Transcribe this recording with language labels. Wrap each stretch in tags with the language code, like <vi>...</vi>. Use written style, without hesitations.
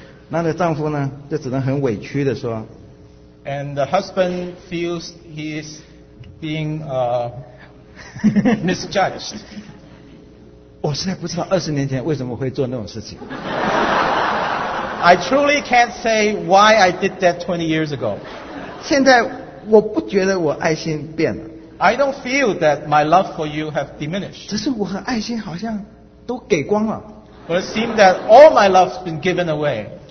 <zh>那的丈夫呢，就只能很委屈地说。</zh> <en>And the husband feels he is being misjudged.</en> <zh>我实在不知道二十年前为什么会做那种事情。</zh> <en>I truly can't say why I did that 20 years ago.</en> <zh>现在我不觉得我爱心变了。</zh> <en>I don't feel that my love for you have diminished.</en> <zh>只是我和爱心好像都给光了。</zh> <en>But it seems that all my love has been given away.</en>